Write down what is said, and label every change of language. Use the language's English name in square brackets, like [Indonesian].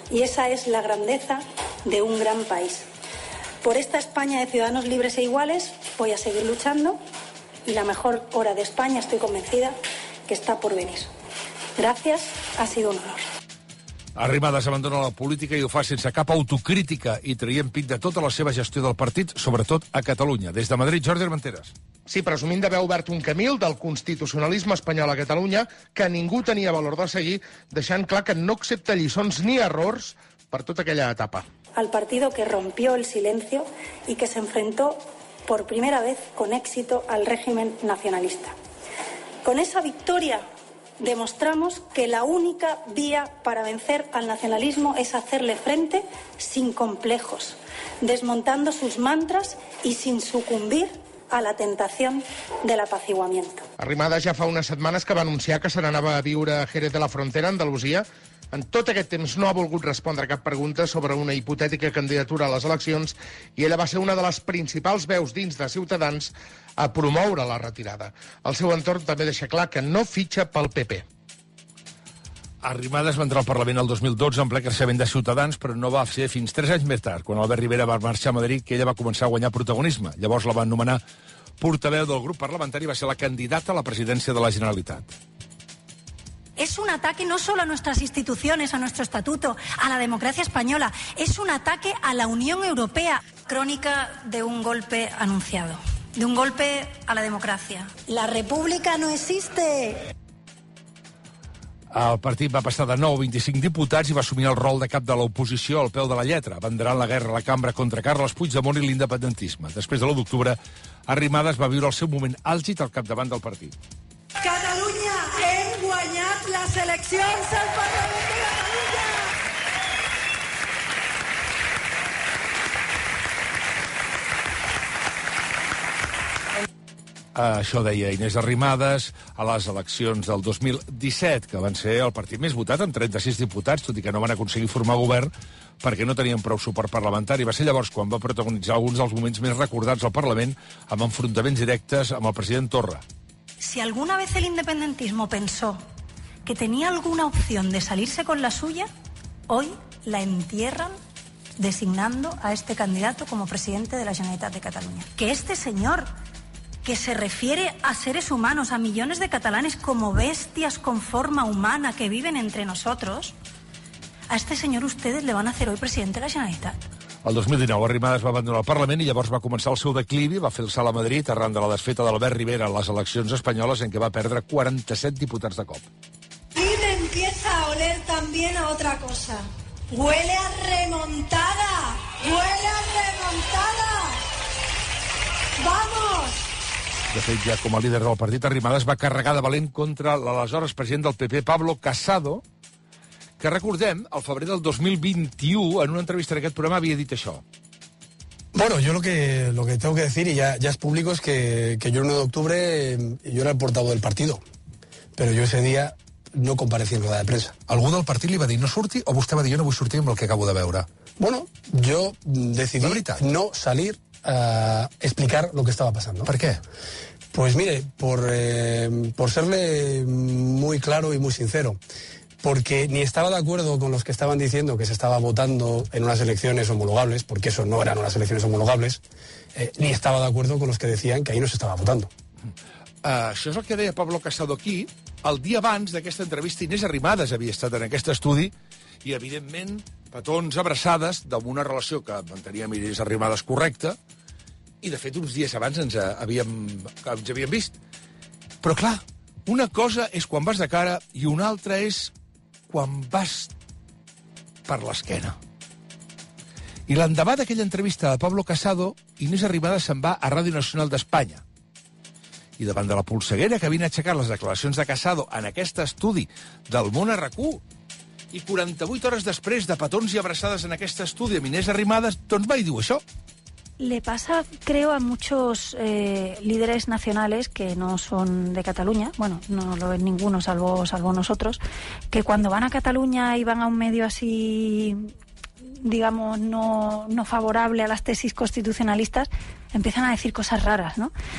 [Spanish] Y esa es la grandeza de un gran país. Por esta España de ciudadanos libres e iguales voy a seguir luchando. Y la mejor hora de España, estoy convencida, que está por venir. Gracias, ha sido un honor. [Catalan] Arrimadas abandona la política i ho fa sense cap autocrítica i traient pit de tota la seva gestió del partit, sobretot a Catalunya. Des de Madrid, Jordi Armenteres. Sí, presumint d'haver obert un camí del constitucionalisme espanyol a Catalunya que ningú tenia valor de seguir, deixant clar que no accepta lliçons ni errors per tota aquella etapa. [Spanish] Al partido que rompió el silencio y que se enfrentó por primera vez con éxito al régimen nacionalista. Con esa victoria demostramos que la única vía para vencer al nacionalismo es hacerle frente sin complejos, desmontando sus mantras y sin sucumbir a la tentación del apaciguamiento. [Catalan] Arrimadas ja fa unes setmanes que va anunciar que se n'anava a viure a Jerez de la Frontera, Andalusia, En tot aquest temps no ha volgut respondre cap pregunta sobre una hipotètica candidatura a les eleccions i ella va ser una de les principals veus dins de Ciutadans a promoure la retirada. El seu entorn també deixa clar que no fitxa pel PP. Arrimadas va entrar al Parlament el 2012 en ple creixement de Ciutadans, però no va ser fins 3 anys més tard, quan Albert Rivera va marxar a Madrid, que ella va començar a guanyar protagonisme. Llavors la van nomenar portaveu del grup parlamentari i va ser la candidata a la presidència de la Generalitat. [Spanish] Es un ataque no solo a nuestras instituciones, a nuestro estatuto, a la democracia española. Es un ataque a la Unión Europea. Crónica de un golpe anunciado. De un golpe a la democracia. La República no existe. [Catalan] El partit va passar de 9 a 25 diputats i va assumir el rol de cap de l'oposició al peu de la lletra, abanderant la guerra a la cambra contra Carles Puigdemont i l'independentisme. Després de l'1 d'octubre, Arrimadas va viure el seu moment àlgid al capdavant del partit. Catalunya, hem guanyat les eleccions al Parlament de Catalunya! Això deia Inés Arrimadas a les eleccions del 2017, que van ser el partit més votat amb 36 diputats, tot i que no van aconseguir formar govern perquè no tenien prou suport parlamentari. Va ser llavors quan va protagonitzar alguns dels moments més recordats al Parlament amb enfrontaments directes amb el president Torra. [Spanish] Si alguna vez el independentismo pensó que tenía alguna opción de salirse con la suya, hoy la entierran designando a este candidato como presidente de la Generalitat de Cataluña. Que este señor, que se refiere a seres humanos, a millones de catalanes como bestias con forma humana que viven entre nosotros, a este señor ustedes le van a hacer hoy presidente de la Generalitat. [Catalan] El 2019 Arrimadas va abandonar el Parlament i llavors va començar el seu declivi, va fer el salt a Madrid arran de la desfeta d'Albert Rivera a les eleccions espanyoles en què va perdre 47 diputats de cop. [Spanish] Y me empieza a oler también a otra cosa. Huele a remontada. Huele a remontada. Vamos. [Catalan] De fet, ja com a líder del partit, Arrimadas va carregar de valent contra l'aleshores president del PP, Pablo Casado, que recordem, al febrer del 2021, en una entrevista en aquest programa, havia dit això. [Spanish] Bueno, yo lo que tengo que decir, y ya es público, es que yo el 1 de octubre yo era el portavoz del partido, pero yo ese día no comparecí en rueda de prensa. [Catalan] ¿Algú del partit li va dir no surti, o vostè va dir jo no vull sortir amb el que acabo de veure? [Spanish] Bueno, yo decidí no salir a explicar lo que estaba pasando. [Catalan] ¿Per qué? [Spanish] Pues mire, por serle muy claro y muy sincero, porque ni estaba de acuerdo con los que estaban diciendo que se estaba votando en unas elecciones homologables, porque eso no eran unas elecciones homologables, ni estaba de acuerdo con los que decían que ahí no se estaba votando. [Catalan] Això és el que deia Pablo Casado aquí. El dia abans d'aquesta entrevista, Inés Arrimadas havia estat en aquest estudi i, evidentment, petons abraçades d'una una relació que mantenia amb Inés Arrimadas correcta i, de fet, uns dies abans ens havíem vist. Però, clar, una cosa és quan vas de cara i una altra és quan vas per l'esquena. I l'endemà d'aquella entrevista de Pablo Casado, Inés Arrimadas se'n va a Ràdio Nacional d'Espanya. I davant de la polseguera que havien aixecat les declaracions de Casado en aquest estudi del Món RAC1, i 48 hores després de petons i abraçades en aquest estudi amb Inés Arrimadas, doncs va i diu això. [Spanish] Le pasa, creo, a muchos líderes nacionales que no son de Cataluña, bueno, no lo es ninguno salvo nosotros, que cuando van a Cataluña y van a un medio así, digamos, no favorable a las tesis constitucionalistas, empiezan a decir cosas raras, ¿no?